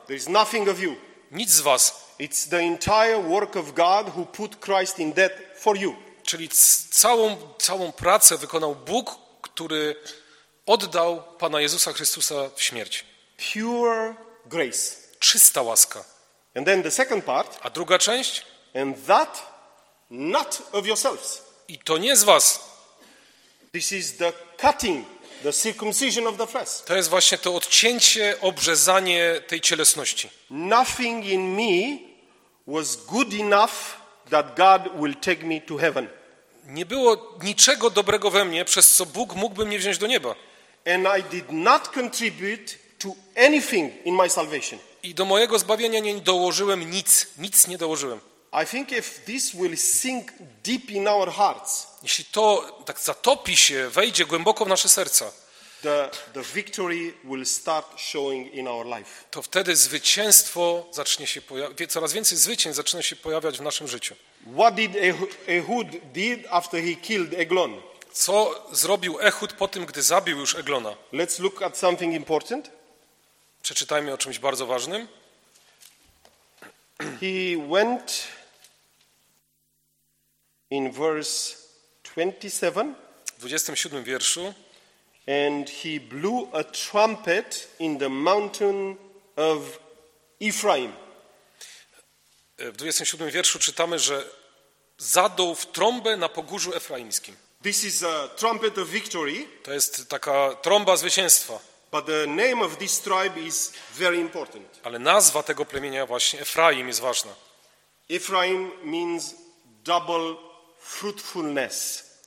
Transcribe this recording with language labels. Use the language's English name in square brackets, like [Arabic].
[English] There is nothing of you. [Polish] Nic z was. [English] It's the entire work of God who put Christ in death for you. [Polish] Czyli całą pracę wykonał Bóg, który oddał Pana Jezusa Chrystusa w śmierć. [English] Pure grace. [Polish] Czysta łaska. [English] And then the second part. [Polish] A druga część? [English] And that not of yourselves. [Polish] I to nie z was. [English] This is the cutting, the circumcision of the flesh. [Polish] To jest właśnie to odcięcie, obrzezanie tej cielesności. [English] Nothing in me was good enough that God will take me to heaven. [Polish] Nie było niczego dobrego we mnie, przez co Bóg mógłby mnie wziąć do nieba. [English] And I did not contribute to anything in my salvation. [Polish] I do mojego zbawienia nie dołożyłem nic. Nic nie dołożyłem. [English] I think if this will sink deep in our hearts. [Polish] Jeśli to tak zatopi się, wejdzie głęboko w nasze serca. [English] the victory will start showing in our life. [Polish] To wtedy zwycięstwo zacznie się pojawiać, coraz więcej zwycięstw zaczyna się pojawiać w naszym życiu. [English] What did Ehud did after he killed Eglon? [Polish] Co zrobił Ehud po tym, gdy zabił już Eglona? [English] Let's look at something important. [Polish] Przeczytajmy o czymś bardzo ważnym. [English] He went in verse 27. [Polish] W 27 wierszu. [English] And he blew a trumpet in the mountain of Ephraim. [Polish] W 27 wierszu czytamy, że zadął w trąbę na pogórzu efraimskim. [English] This is a trumpet of victory. [Polish] To jest taka trąba zwycięstwa. [English] But the name of this tribe is very important. [Polish] Ale nazwa tego plemienia właśnie Efraim jest ważna. [English] Ephraim means double fruitfulness.